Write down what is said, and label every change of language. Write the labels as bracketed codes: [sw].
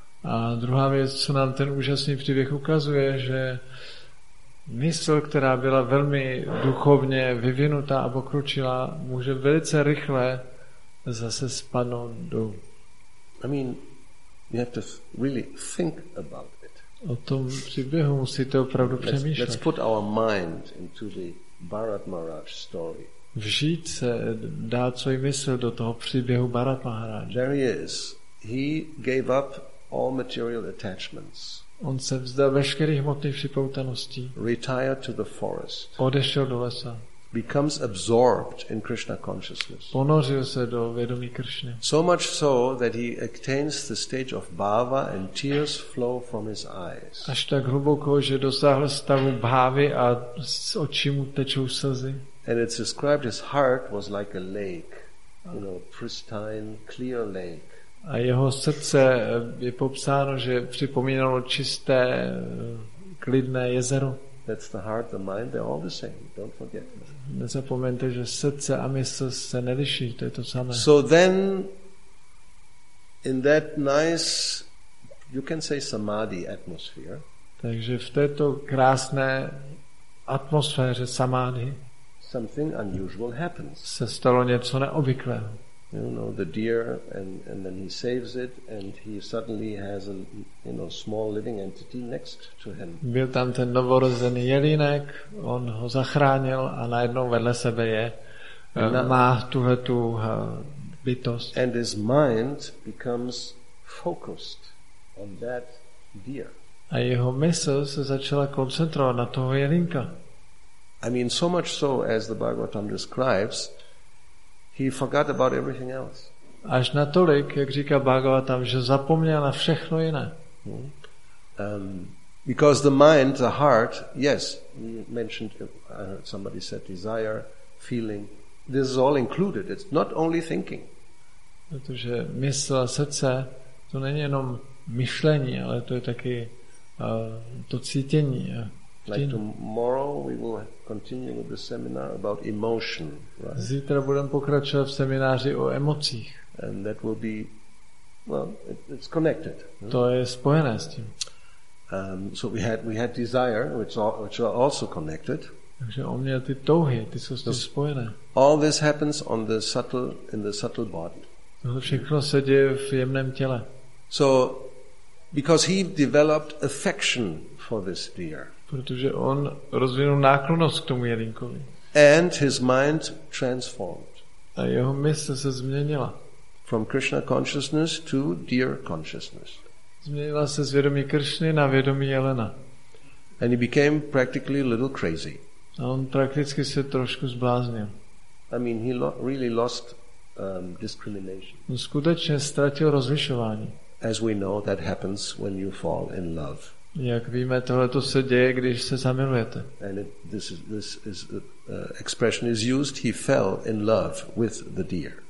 [cs] A druhá věc, co nám ten úžasný příběh ukazuje, že mysl, která byla velmi duchovně vyvinutá a pokročila, může velice rychle zase spadnout do. [en] I mean, you have to really think about it. [cs] O tom příběhu musíte opravdu přemýšlet. [en] Let's put our mind into the Bharat Maharaj story. [cs] Vžít se, dát svůj mysl do toho příběhu Bharat Maharaj. [en] There he is. He gave up all material attachments. [cs] On se vzdal veškerých hmotných připoutaností. [en] Retired to the forest. [cs] Odešel do lesa. [en] Becomes absorbed in Krishna consciousness. [cs] Ponořil se do vědomí Krishny. [en] So much so that he attains the stage of bhava and tears flow from his eyes. [cs] Až tak hluboko, že dosáhl stavu bhávy a z očí mu tečou slzy. [en] And it's described his heart was like a lake, you know, pristine, clear lake. [cs] A jeho srdce je popsáno, že připomínalo čisté, klidné jezero. [en] That's the heart, the mind, they're all the same. Don't forget. [cs] Nezapomeňte, že srdce a mysl se neliší, to je to samé. [en] So then, in that nice, you can say samadhi atmosphere. [cs] Takže v této krásné atmosféře samadhi. [en] Something unusual happens. [cs] Se stalo něco neobvyklého. [en] You know, the deer, and then he saves it, and he suddenly has a, you know, small living entity next to him. [cs] Byl tam ten novorozený jelínek, on ho zachránil a najednou vedle sebe je, má tuhle tu bytost. [en] And his mind becomes focused on that deer. [cs] A jeho mysl se začala koncentrovat na toho jelínka. [en] I mean, so much so, as the Bhagavatam describes, he forgot about everything else. [cs] Až natolik, jak říká Bhagavatam, že zapomněl na všechno jiné. [en] Because the mind, the heart, yes, we mentioned, somebody said desire, feeling, this is all included. It's not only thinking. [cs] Protože mysl a srdce, to není jenom myšlení, ale to je taky to cítění. [en] Like tomorrow we will continue with the seminar about emotion. Right? [cs] Zítra budeme pokračovat v semináři o emocích. [en] And that will be, well, it's connected. [cs] To je spojené s tím. [en] So we had desire, which are also connected. [cs] Takže on měl ty touhy, ty jsou s tím spojené. [en] All this happens on the subtle, in the subtle body. [cs] Tohle všechno se děje v jemném těle. [en] So, because he developed affection for this deer. [cs] Protože on rozvinul náklonnost k tomu jelínkovi. [en] And his mind transformed. [cs] A jeho mysl se změnila. [en] From Krishna consciousness to deer consciousness. [cs] Změnila se z vědomí Kršny na vědomí jelena. [en] And he became practically a little crazy. [cs] A on prakticky se trošku zbláznil. [en] I mean, he really lost discrimination. [cs] On skutečně ztratil rozlišování. [en] As we know, that happens when you fall in love. [cs] Jak víme, tohle to se děje, když se zamilujete. [en] And this expression is used, he fell in love with the deer.